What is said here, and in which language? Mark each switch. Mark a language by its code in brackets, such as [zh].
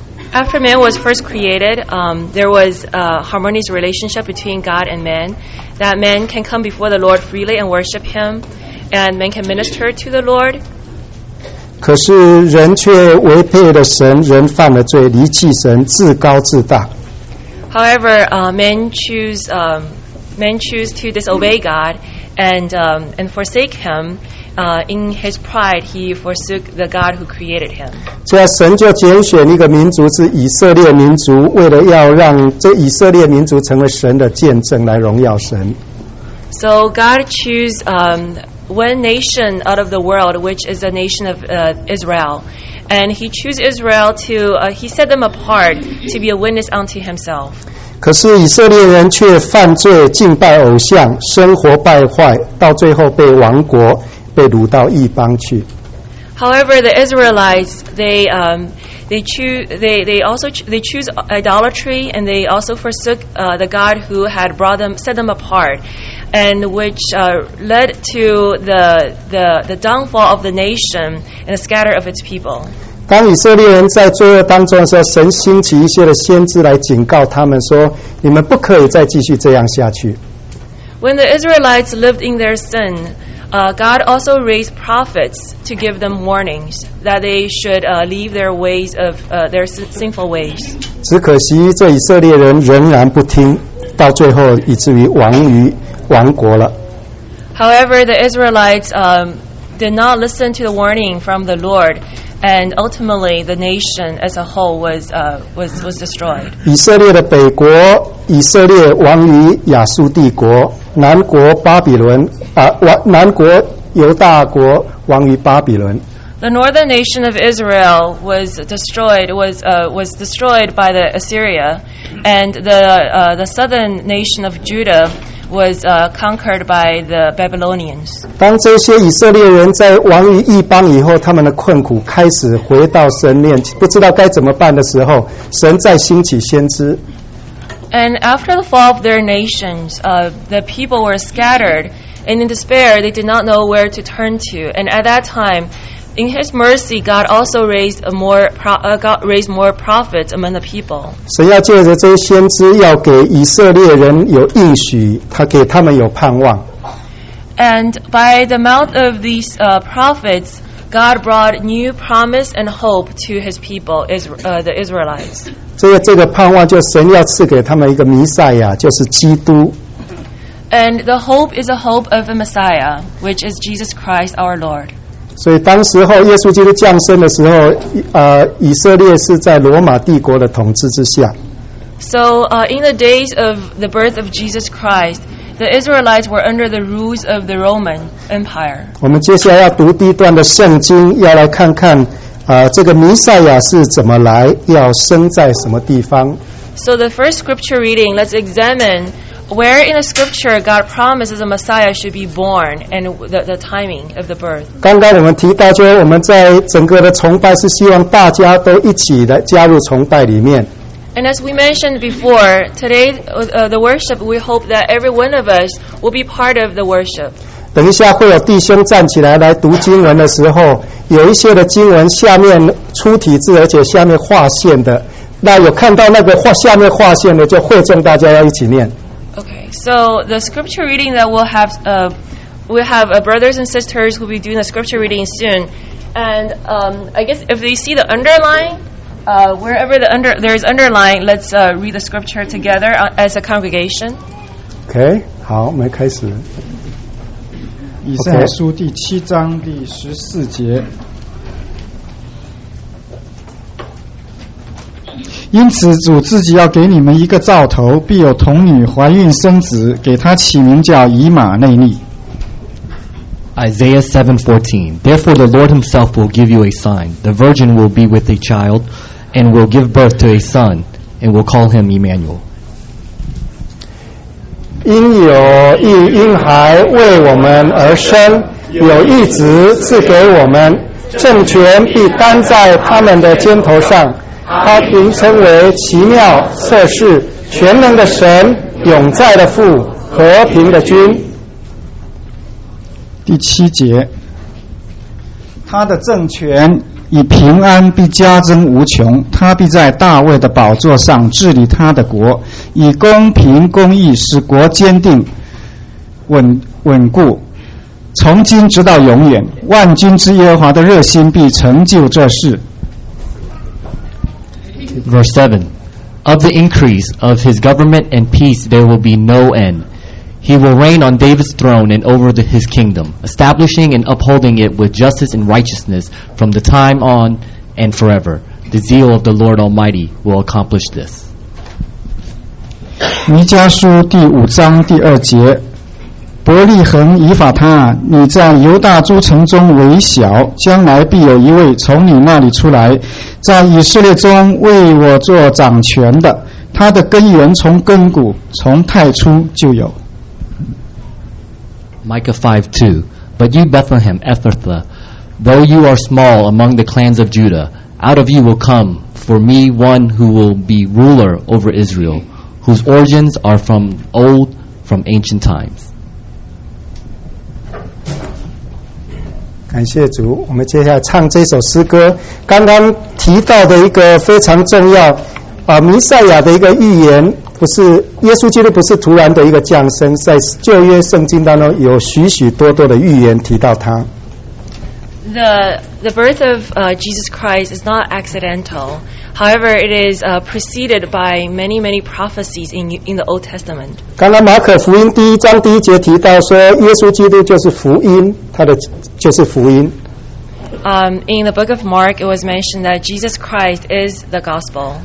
[en] After man was first created, there was a harmonious relationship between God and man, that man can come before the Lord freely and worship Him, and man can minister to the Lord. [zh] 可是人却违背了神，人犯了罪，离弃神，自高自大。 [en] However, man choose to disobey God and forsake Him. In his pride, he forsook the God who created him. [zh] 这样神就拣选一个民族，是以色列民族，为了要让这以色列民族成为神的见证，来荣耀神。 [en] So God choose. One nation out of the world, which is the nation of Israel, and He chose Israel to He set them apart to be a witness unto Himself. [zh] 可是以色列人却犯罪，敬拜偶像，生活败坏，到最后被亡国，被掳到异邦去。 [en] However, the Israelites they choose idolatry, and they also forsook the God who had brought them, set them apart. And which led to the downfall of the nation and the scatter of its people. [zh] 当以色列人在罪恶当中的时候，神兴起一些的先知来警告他们说：“你们不可以再继续这样下去。” [en] When the Israelites lived in their sin, God also raised prophets to give them warnings that they should leave their ways of their sinful ways. [zh] 只可惜这以色列人仍然不听，到最后以至于亡于。亡国了。 [en] However, the Israelites did not listen to the warning from the Lord, and ultimately the nation as a whole was destroyed. [zh] 以色列的北国，以色列亡于亚述帝国；南国巴比伦，南国犹大国亡于巴比伦。 [en] The northern nation of Israel was destroyed by the Assyria, and the southern nation of Judah. Was conquered by the Babylonians. [zh] 当这些以色列人在亡于异邦以后，他们的困苦开始回到神面前，不知道该怎么办的时候，神再兴起先知。 [en] And after the fall of their nations, the people were scattered, and in despair, they did not know where to turn to. And at that time, in His mercy, God also raised more prophets among the people. [zh] 神要借着这些先知，要给以色列人有应许，他给他们有盼望。 [en] And by the mouth of these prophets, God brought new promise and hope to His people, the Israelites. [zh] 这个盼望，就神要赐给他们一个弥赛亚，就是基督。 [en] And the hope is a hope of a Messiah, which is Jesus Christ, our Lord. [zh] 所以当时候耶稣基督降生的时候，以色列是在罗马帝国的统治之下。 [en] So, in the days of the birth of Jesus Christ, the Israelites were under the rules of the Roman Empire. [zh] 我们接下来要读第一段的圣经，要来看看这个弥赛亚是怎么来，要生在什么地方。 [en] So the first scripture reading, let's examine Where in the scripture God promises the Messiah should be born and the timing of the birth. [zh] 刚刚我们提到，就我们在整个的崇拜是希望大家都一起来加入崇拜里面。 [en] And as we mentioned before, today the worship, we hope that every one of us will be part of the worship. [zh] 等一下会有弟兄站起来来读经文的时候，有一些的经文下面粗体字，而且下面划线的，那有看到那个下面划线的，就会众大家要一起念。 [en] Okay, so the scripture reading that we'll have brothers and sisters who will be doing the scripture reading soon. And I guess if they see the underline, wherever the there's underline, let's read the scripture together as a congregation. [zh] Okay, 好，我们开始。以赛亚书第七章第十四节。因此主自己要给你们一个兆头，必有童女怀孕生子，给她起名叫以马内利。 [en] Isaiah 7:14. Therefore the Lord himself will give you a sign. The virgin will be with a child and will give birth to a son and will call him Emmanuel. [zh] 因有一婴孩为我们而生，有一子赐给我们，政权必担在他们的肩头上，他名称为奇妙、赦世、全能的神、永在的父、和平的君。第七节，他的政权以平安必加增无穷，他必在大卫的宝座上治理他的国，以公平公义使国坚定 稳固，从今直到永远，万军之耶和华的热心必成就这事。 [en] Verse 7, of the increase of his government and peace there will be no end. He will reign on David's throne and over his kingdom, establishing and upholding it with justice and righteousness from the time on and forever. The zeal of the Lord Almighty will accomplish this. [zh] 弥迦书第五章第二节，伯利恒以法他，你在犹大诸城中为小，将来必有一位从你那里出来，在以色列中为我做掌权的，他的根源从根骨从太初就有。 [en] Micah 5:2. But you Bethlehem Ephrathah, though you are small among the clans of Judah, out of you will come for me one who will be ruler over Israel, whose origins are from old, from ancient times. [zh] 感谢主，我们接下来唱这首诗歌。刚刚提到的一个非常重要，弥赛亚的一个预言，不是耶稣基督不是突然的一个降生，在旧约圣经当中有许许多多的预言提到他。 [en] The birth of Jesus Christ is not accidental. However, it is preceded by many, many prophecies in the Old Testament. [zh] 刚刚马可福音第一章第一节提到说，耶稣基督就是福音，他的就是福音。 [en] In the book of Mark, it was mentioned that Jesus Christ is the gospel.